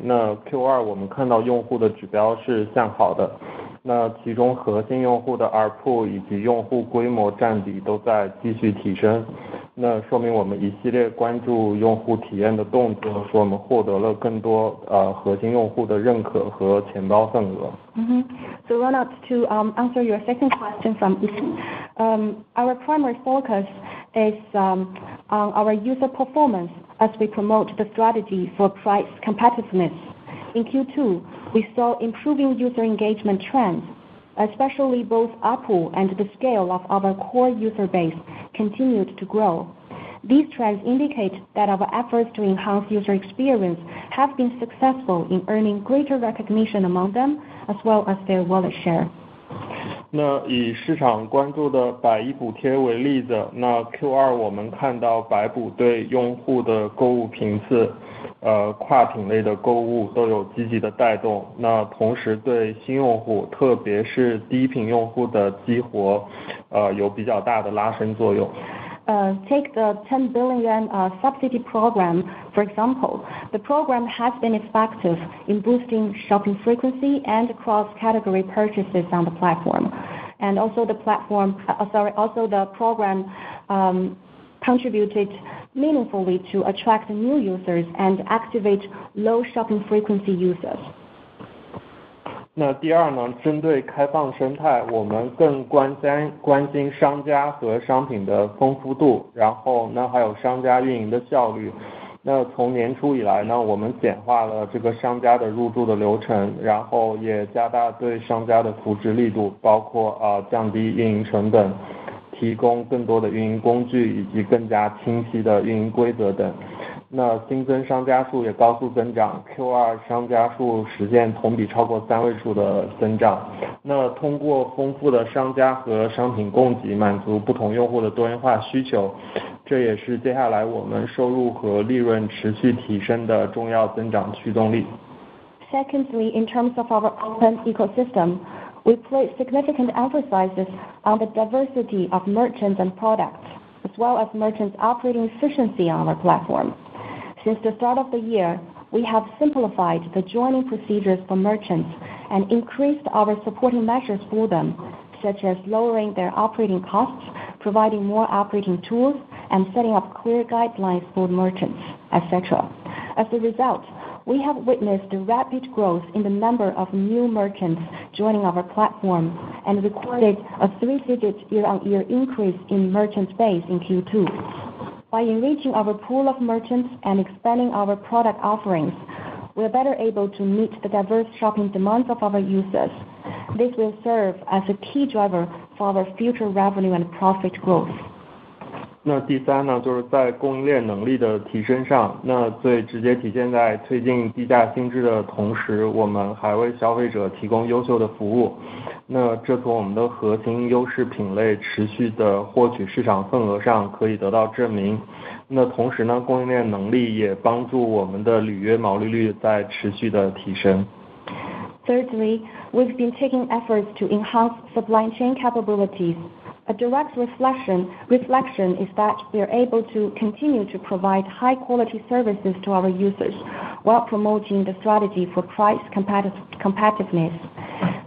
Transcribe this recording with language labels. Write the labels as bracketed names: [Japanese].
[Chinese] 那 Q2 我们看到用户的指标是向好的，那其中核心用户的 ARPU 以及用户规模占比都在继续提升，那说明我们一系列关注用户体验的动作，说我们获得了更多核心用户的认可和钱包份额。 [English] So Ronald, to answer your second question from Ethan, our primary focus is on our user performance as we promote the strategy for price competitiveness. In Q2, we saw improving user engagement trends, especially both ARPU and the scale of our core user base continued to grow. These trends indicate that our efforts to enhance user experience have been successful in earning greater recognition among them as well as their wallet share. [Chinese] 那以市场关注的百亿补贴为例子，那 Q2 我们看到百补对用户的购物频次，跨品类的购物都有积极的带动，那同时对新用户，特别是低频用户的激活，有比较大的拉伸作用。 [English] Take the 10 billion yuan subsidy program, for example. The program has been effective in boosting shopping frequency and cross-category purchases on the platform. And also the platform, the program contributed meaningfully to attract new users and activate low shopping frequency users. [Chinese] 那第二呢，针对开放生态，我们更关心商家和商品的丰富度，然后呢还有商家运营的效率。那从年初以来呢，我们简化了这个商家的入驻的流程，然后也加大对商家的扶持力度，包括降低运营成本，提供更多的运营工具以及更加清晰的运营规则等。那新增商家数也高速增长 ，Q2 商家数实现同比超过三位数的增长。那通过丰富的商家和商品供给，满足不同用户的多元化需求，这也是接下来我们收入和利润持续提升的重要增长驱动力。 [English] Secondly, in terms of our open ecosystem, we place significant emphasis on the diversity of merchants and products, as well as merchants' operating efficiency on our platform. Since the start of the year, we have simplified the joining procedures for merchants and increased our supporting measures for them, such as lowering their operating costs, providing more operating tools, and setting up clear guidelines for merchants, etc. As a result, we have witnessed rapid growth in the number of new merchants joining our platform and recorded a three-digit year-on-year increase in merchant base in Q2. By enriching our pool of merchants and expanding our product offerings, we are better able to meet the diverse shopping demands of our users. This will serve as a key driver for our future revenue and profit growth. [Chinese] 那第三呢，就是在供应链能力的提升上。那最直接体现在推进低价新制的同时，我们还为消费者提供优秀的服务。那这从我们的核心优势品类持续的获取市场份额上可以得到证明。那同时呢，供应链能力也帮助我们的履约毛利率在持续的提升。 [English] Thirdly, we've been taking efforts to enhance supply chain capabilities. A direct reflection is that we are able to continue to provide high quality services to our users while promoting the strategy for price competitiveness.